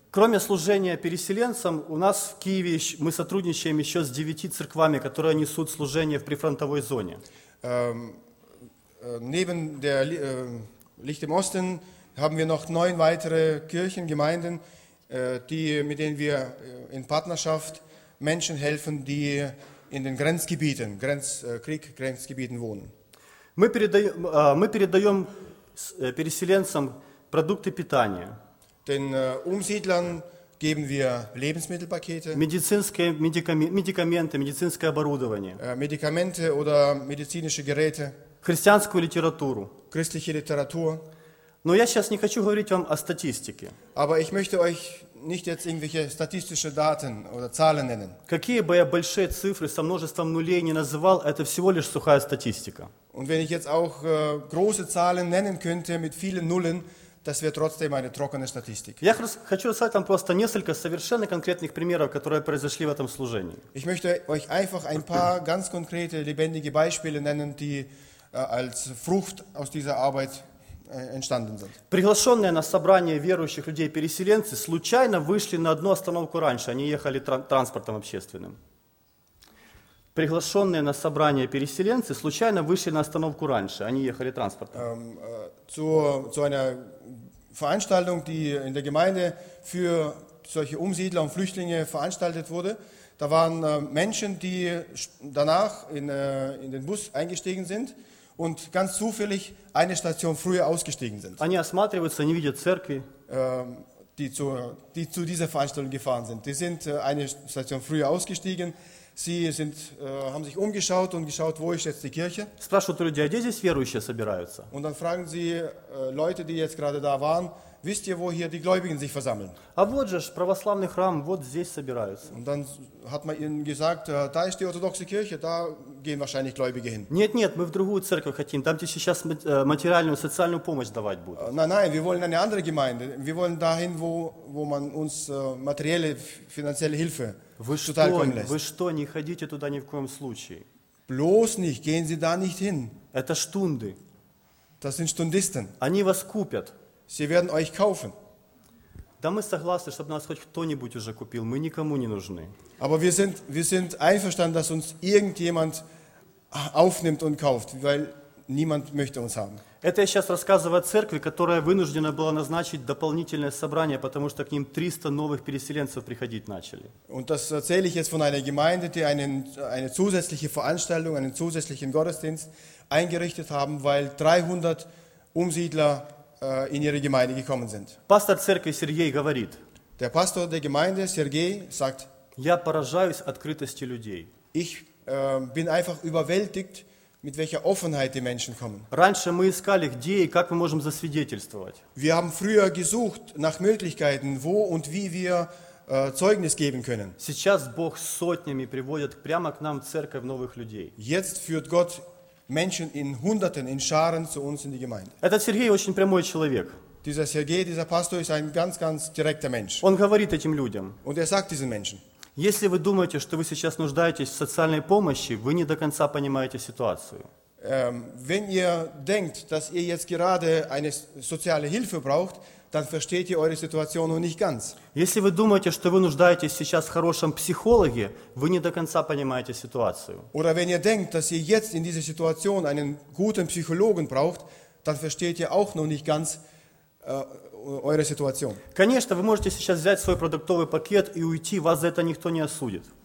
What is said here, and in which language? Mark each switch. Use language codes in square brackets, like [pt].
[ru] Кроме служения переселенцам, у нас в Киеве мы сотрудничаем еще с 9 церквами, которые несут служение в прифронтовой зоне. [de] Neben der Licht im Osten haben wir noch 9 weitere Kirchen, Gemeinden, mit denen wir in Partnerschaft Menschen helfen, die in den Grenzgebieten, Grenzgebieten wohnen. [ru] Мы передаем переселенцам продукты питания. [de] Den Umsiedlern geben wir Lebensmittelpakete. Medizinische [ru] Оборудование. [de] Medikamente oder medizinische Geräte. [ru] Христианскую литературу. [de] Christliche Literatur. [ru] Но я сейчас не хочу говорить вам о статистике. [de] Aber ich möchte euch nicht jetzt irgendwelche statistische Daten oder Zahlen nennen. [ru] Какие бы я большие цифры со множеством нулей не называл, это всего лишь сухая статистика. [de] Und wenn ich jetzt auch große Zahlen nennen könnte mit vielen Nullen, das wäre trotzdem eine trockene Statistik. [ru] Я хочу сказать вам просто несколько совершенно конкретных примеров, которые произошли в этом служении. [de] Ich möchte euch einfach ein paar ganz konkrete, lebendige Beispiele nennen, die als Frucht aus dieser Arbeit entstanden sind. [ru] Приглашенные на собрание верующих людей переселенцы случайно вышли на одну остановку раньше, они ехали транспортом общественным. Приглашенные на собрание переселенцы случайно вышли на остановку раньше, они ехали транспортом. [de] Zu einer Veranstaltung, die in der Gemeinde für solche Umsiedler und Flüchtlinge veranstaltet wurde, da waren Menschen, die danach in den Bus eingestiegen sind und ganz zufällig eine Station früher ausgestiegen sind. [ru] Они осматриваются, они видят церкви. [de] Die zu dieser Veranstaltung gefahren sind. Die sind eine Station früher ausgestiegen. Sie sind, haben sich umgeschaut und geschaut, wo ist jetzt die Kirche. [ru] Спрашивают люди, а где здесь верующие собираются? [de] Und dann fragen sie Leute, die jetzt gerade da waren, wisst ihr, wo hier die Gläubigen sich versammeln? [ru] А вот же православный храм, вот здесь собираются. [de] Und dann hat man ihnen gesagt, da ist die orthodoxe Kirche, da gehen wahrscheinlich Gläubige hin. [ru] Нет, мы в другую церковь хотим, там тебе сейчас материальную, социальную помощь давать будут. [de] Nein, wir wollen eine andere Gemeinde, wir wollen dahin, wo man uns materielle, finanzielle Hilfe. [ru] Вы что, не ходите туда ни в коем случае. [de] Bloß nicht, gehen Sie da nicht hin. [ru] Это штунды. [de] Das sind Stundisten. [ru] Они вас купят. [de] Sie werden euch kaufen. [ru] Да мы согласны, чтобы нас хоть кто-нибудь уже купил. Мы никому не нужны. [de] Aber wir sind einverstanden, dass uns irgendjemand aufnimmt und kauft, weil niemand möchte uns haben. [ru] Это я сейчас рассказываю о церкви, которая вынуждена была назначить дополнительное собрание, потому что к ним 300 новых переселенцев приходить начали. [de] Und das erzähle ich jetzt von einer Gemeinde, die eine zusätzliche Veranstaltung, einen zusätzlichen Gottesdienst eingerichtet haben, weil 300 Umsiedler in ihre Gemeinde gekommen sind. [ru] Пастор церкви Сергей говорит. [de] Der Pastor der Gemeinde, Sergei, sagt. [ru] Я поражаюсь открытости людей. [de] Ich bin einfach überwältigt, mit welcher Offenheit die Menschen kommen. [ru] Раньше мы искали, где и как мы можем засвидетельствовать. [de] Wir haben früher gesucht nach Möglichkeiten, wo und wie wir Zeugnis geben können. [ru] Сейчас Бог сотнями приводит прямо к нам в церковь новых людей. [de] Jetzt führt Gott Menschen in Hunderten, in Scharen zu uns in die Gemeinde. [ru] Этот Сергей очень прямой человек. [de] Dieser Sergej, dieser Pastor ist ein ganz, ganz direkter Mensch. [ru] Он говорит этим людям. [de] Und er sagt diesen Menschen. [ru] Если вы думаете, что вы сейчас нуждаетесь в социальной помощи, вы не до конца понимаете ситуацию. [de] Wenn ihr denkt, dass ihr jetzt gerade eine soziale Hilfe braucht, dann versteht ihr eure Situation noch nicht ganz. [ru] Если вы думаете, что вы нуждаетесь сейчас в хорошем психологе, вы не до конца понимаете ситуацию. [de] Oder wenn ihr denkt, dass ihr jetzt in dieser Situation einen guten Psychologen braucht, dann versteht ihr auch noch nicht ganz eure Situation. [ru] Конечно, вы можете сейчас взять свой продуктовый пакет и уйти, вас за это никто не осудит.